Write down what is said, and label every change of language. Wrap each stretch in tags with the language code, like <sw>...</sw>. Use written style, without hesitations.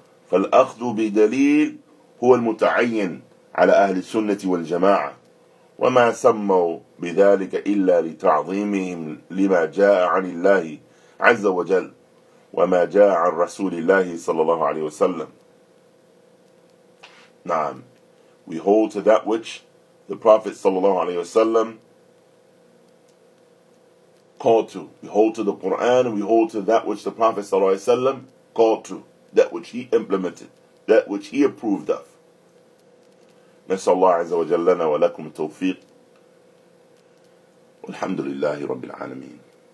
<ar>فالأخذ بدليل هو المتعين على أهل السنة والجماعة وما سموا بذلك إلا لتعظيمهم لما جاء عن الله عز وجل وما جاء عن رسول الله صلى الله عليه وسلم. نعم.</ar> <en>We hold to that which the Prophet</en> <ar>صلى الله عليه وسلم</ar> <en>called to. We hold to the Quran and we hold to that which the Prophet</en> <ar>صلى الله عليه وسلم</ar> <en>called to. That which he implemented, that which he approved of.</en> <ar>نسأل الله عز وجل لنا ولكم التوفيق والحمد لله رب العالمين.</ar>